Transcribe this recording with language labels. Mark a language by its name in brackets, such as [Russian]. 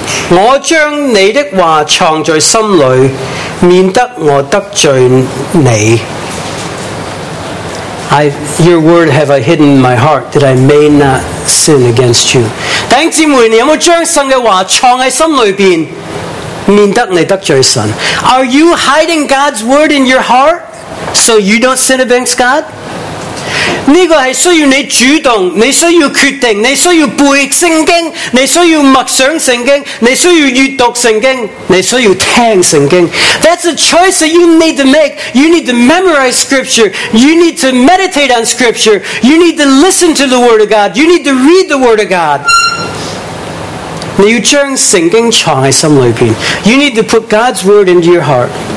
[Chinese] 我将你的话藏在心里免得我得罪你。 [English] Your word have I hidden in my heart that I may not sin against you. [Chinese] 弟兄姊妹，你有没有将神的话藏在心里边，免得你得罪神 ？ [English] Are you hiding God's word in your heart so you don't sin against God? [Chinese] 这个是需要你主动，你需要决定，你需要背圣经，你需要默想圣经，你需要阅读圣经，你需要听圣经。 [English] That's a choice that you need to make. You need to memorize scripture. You need to meditate on scripture. You need to listen to the word of God. You need to read the word of God. [Chinese] 你要将圣经藏在心里边。 [English] You need to put God's word into your heart.